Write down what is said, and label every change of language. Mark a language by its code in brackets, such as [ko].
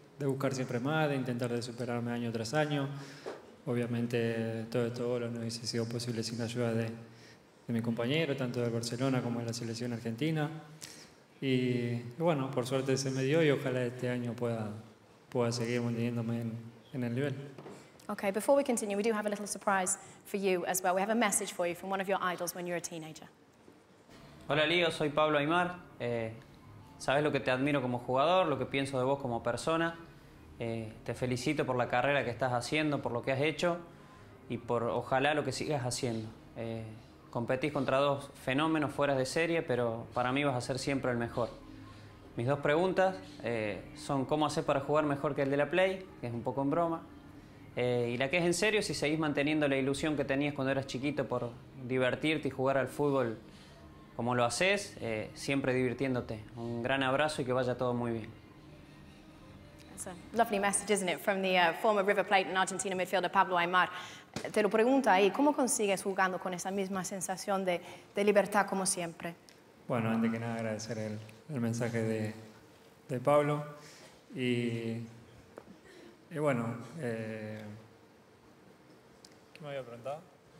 [es] buscar siempre más, de intentar de superarme año tras año. Obviamente todo lo no hubiese sido posible sin la ayuda de mi compañero, tanto del Barcelona como de la selección argentina. Y bueno, por suerte se me dio y ojalá este año pueda seguir manteniéndome en el nivel. [en] Okay, before we continue, we do have a little surprise for you as well. We have a message for you from one of your idols when you were a teenager. [es] Hola Leo, soy Pablo Aymar. Sabes lo que te admiro como jugador, lo que pienso de vos como persona. Te felicito por la carrera que estás haciendo, por lo que has hecho y por ojalá lo que sigas haciendo. Competís contra dos fenómenos fuera de serie, pero para mí vas a ser siempre el mejor. Mis dos preguntas son cómo hacés para jugar mejor que el de la Play, que es un poco en broma, y la que es en serio, si seguís manteniendo la ilusión que tenías cuando eras chiquito por divertirte y jugar al fútbol como lo haces, siempre divirtiéndote. Un gran abrazo y que vaya todo muy bien. [en] It's a lovely message, isn't it, from the former River Plate and Argentina midfielder Pablo Aymar. [es] Te lo pregunto ahí, ¿cómo consigues jugando con esa misma sensación de libertad como siempre? Bueno, antes que nada agradecer el mensaje de Pablo. Y bueno, ¿qué me había preguntado?